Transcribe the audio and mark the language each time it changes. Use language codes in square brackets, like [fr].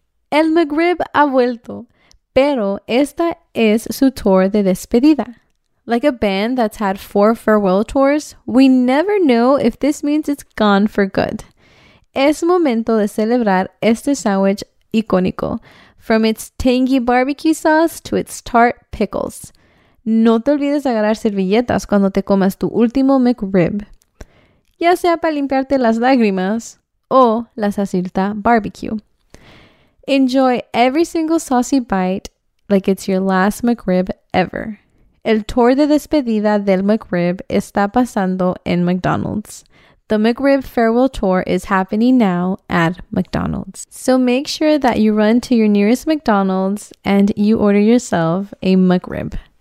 [es] El McRib ha vuelto, pero esta es su tour de despedida. [en] Like a band that's had four farewell tours, we never know if this means it's gone for good. [es] Es momento de celebrar este sandwich icónico, [en] from its tangy barbecue sauce to its tart pickles. [es] No te olvides agarrar servilletas cuando te comas tu último McRib, ya sea para limpiarte las lágrimas o la salsita barbecue. [en] Enjoy every single saucy bite like it's your last McRib ever. [es] El tour de despedida del McRib está pasando en McDonald's. [en] The McRib Farewell Tour is happening now at McDonald's. So make sure that you run to your nearest McDonald's and you order yourself a McRib.